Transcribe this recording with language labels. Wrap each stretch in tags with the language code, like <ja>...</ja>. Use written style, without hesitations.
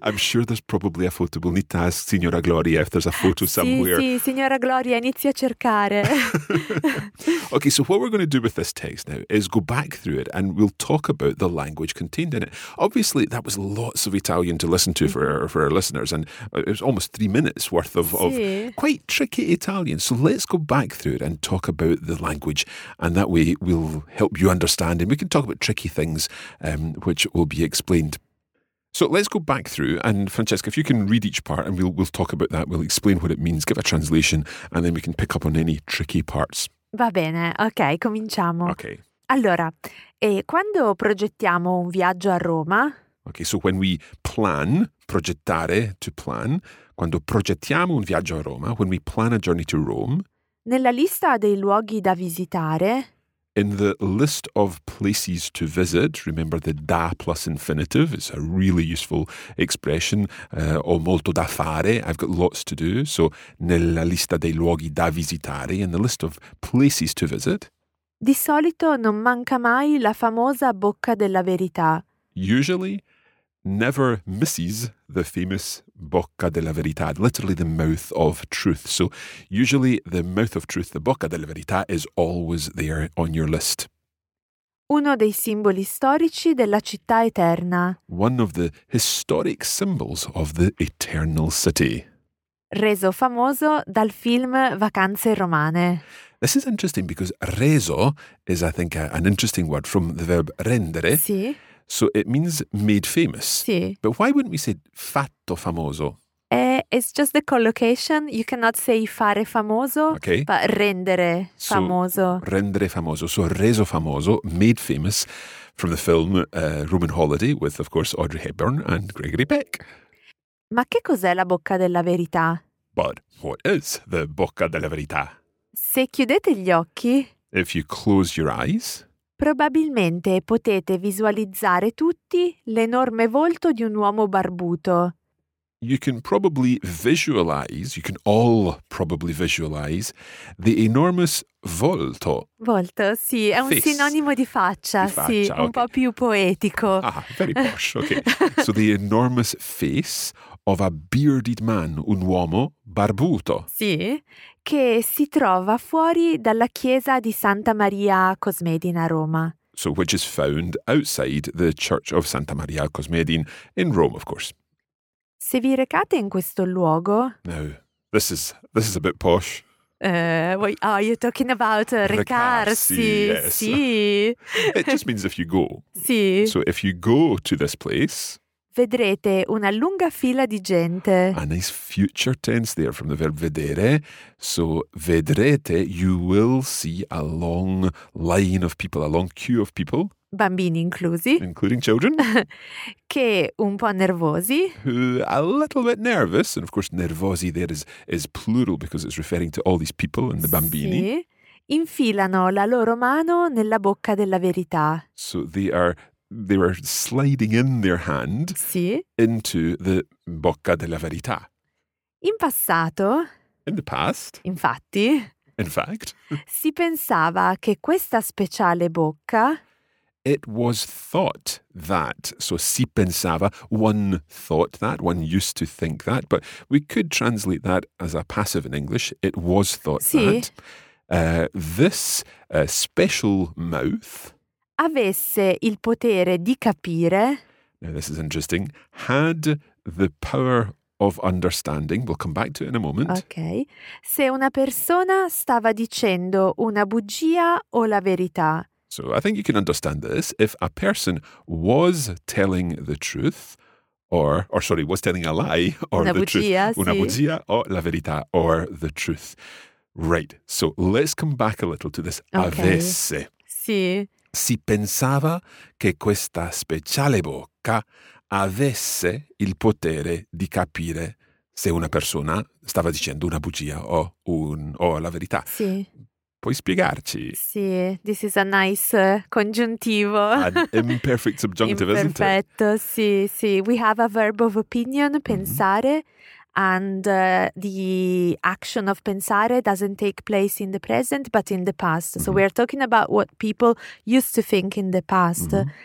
<en>I'm sure there's probably a photo. We'll need to ask Signora Gloria if there's a photo somewhere.</en> <it>Sì, Signora Gloria, inizia a cercare.</it> <en>Okay, so what we're going to do with this text now is go back through it and we'll talk about the language contained in it. Obviously, that was lots of Italian to listen to for our listeners. And it was almost 3 minutes worth of quite tricky Italian. So let's go back through it and talk about the language. And that way we'll help you understand. And we can talk about tricky things, which will be explained. So let's go back through. And Francesca, if you can read each part and we'll talk about that. We'll explain what it means, give a translation, and then we can pick up on any tricky parts.</en> <it>Va bene, ok, cominciamo. Ok. Allora, e quando progettiamo un viaggio a Roma?</it> <en>Ok, so when we plan, progettare, to plan,</en> <it>quando progettiamo un viaggio a Roma,</it> <en>when we plan a journey to Rome.</en> <it>Nella lista dei luoghi da visitare.</it> <en>In the list of places to visit, remember the da plus infinitive, it's a really useful expression,</en> <it>ho molto da fare,</it> <en>I've got lots to do. So,</en> <it>nella lista dei luoghi da visitare,</it> <en>in the list of places to visit.</en> <it>Di solito non manca mai la famosa Bocca della Verità.</it> <en>Usually, never misses the famous Bocca della Verità, literally the mouth of truth. So usually the mouth of truth, the Bocca della Verità, is always there on your list.</en> <it>Uno dei simboli storici della città eterna.</it> <en>One of the historic symbols of the eternal city.</en> <it>Reso famoso dal film Vacanze Romane.</it> <en>This is interesting because reso is, I think, an interesting word from the verb rendere.</en> <it>Sì.</it> <en>So it means made famous.</en> <it>Sì.</it> <en>But why wouldn't we say fatto famoso? It's just the collocation. You cannot say fare famoso, okay. But rendere famoso. So, rendere famoso. So reso famoso, made famous from the film Roman Holiday with, of course, Audrey Hepburn and Gregory Peck.</en> <it>Ma che cos'è la bocca della verità?</it> <en>But what is the bocca della verità?</en> <it>Se chiudete gli occhi.</it> <en>If you close your eyes.</en> <it>Probabilmente potete visualizzare tutti l'enorme volto di un uomo barbuto.</it> <en>You can probably visualize, you can all probably visualize the enormous volto.</en> <it>Volto, sì, è un</it> <en>face.</en> <it>Sinonimo di faccia, di faccia, sì,</it> <en>okay.</en> <it>Un po' più poetico.</it> <en>Ah, very posh, okay. So the enormous face of a bearded man,</en> <it>un uomo barbuto. Sì, che si trova fuori dalla chiesa di Santa Maria Cosmedin a Roma.</it> <en>So which is found outside the church of Santa Maria Cosmedin in Rome, of course.</en> <it>Se vi recate in questo luogo.</it> <en>Now, this is a bit posh. Are you talking about recarsi? Sì. It just means if you go.</en> <it>Sì.</it> <en>So if you go to this place,</en> <it>vedrete una lunga fila di gente.</it> <en>A nice future tense there from the verb vedere. So vedrete, you will see a long line of people, a long queue of people.</en> <it>Bambini inclusi.</it> <en>Including children.</en> <it>Che un po' nervosi.</it> <en>Who a little bit nervous. And of course, nervosi there is plural because it's referring to all these people and the bambini.</en> <it>Sì. Infilano la loro mano nella bocca della verità.</it> <en>So they were sliding in their hand.</en> <it>Sì.</it> <en>Into the bocca della verità.</en> <it>In passato.</it> <en>In the past.</en> <it>Infatti.</it> <en>In fact.</en> <it>Si pensava che questa speciale bocca.</it> <en>It was thought that, so si pensava, one thought that, one used to think that, but we could translate that as a passive in English, it was thought</en> <it>sì.</it> <en>That. This special mouth</en> <it>avesse il potere di capire.</it> <en>Now this is interesting, had the power of understanding, we'll come back to it in a moment. Okay.</en> <it>Se una persona stava dicendo una bugia o la verità.</it> <en>So I think you can understand this. If a person was telling the truth was telling a lie or</en> <it>una</it> <en>the</en> <it>bugia,</it> <en>truth.</en> <it>Sì. Una bugia o la verità</it> <en>or the truth. Right. So let's come back a little to this. Okay.</en> <it>Avesse. Sì. Si pensava che questa speciale bocca avesse il potere di capire se una persona stava dicendo una bugia o la verità. Sì. Puoi spiegarci?</it> <en>Sì, this is a nice congiuntivo. An imperfect subjunctive, isn't it?</en> <it>Imperfetto, sì, sì.</it> <en>We have a verb of opinion, pensare, mm-hmm. and the action of pensare doesn't take place in the present, but in the past. So mm-hmm. we are talking about what people used to think in the past. Mm-hmm.</en>